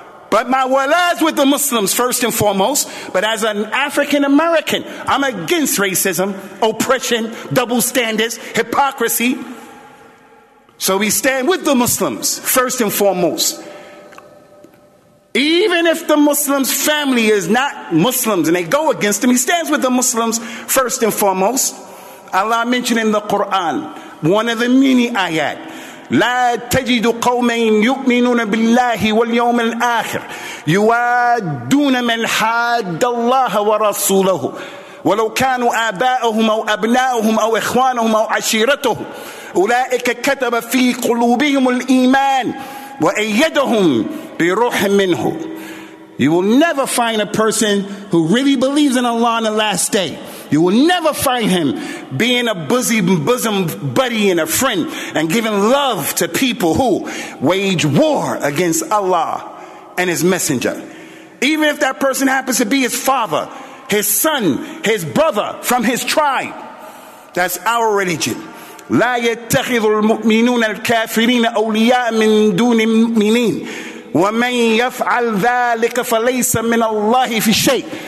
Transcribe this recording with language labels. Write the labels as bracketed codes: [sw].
[en] But my wala is with the Muslims first and foremost. But as an African American, I'm against racism, oppression, double standards, hypocrisy. So we stand with the Muslims first and foremost. Even if the Muslim's family is not Muslims and they go against him, he stands with the Muslims first and foremost. Allah mentioned in the Quran, one of the many ayat, [ar] لا تجد قوما يؤمنون بالله واليوم الآخر يوادون من حاد الله ورسوله ولو كانوا آباءهم أو أبناءهم أو إخوانهم أو عشيرتهم أولئك كتب في قلوبهم الإيمان وأيدهم بروح منه. [en] You will never find a person who really believes in Allah on the last day. You will never find him being a bosom buddy and a friend and giving love to people who wage war against Allah and his messenger. Even if that person happens to be his father, his son, his brother from his tribe, that's our religion. [ar] لا يتخذ المؤمنون الكافرين أولياء من دون المؤمنين ومن يفعل ذلك فليس من الله في شيء.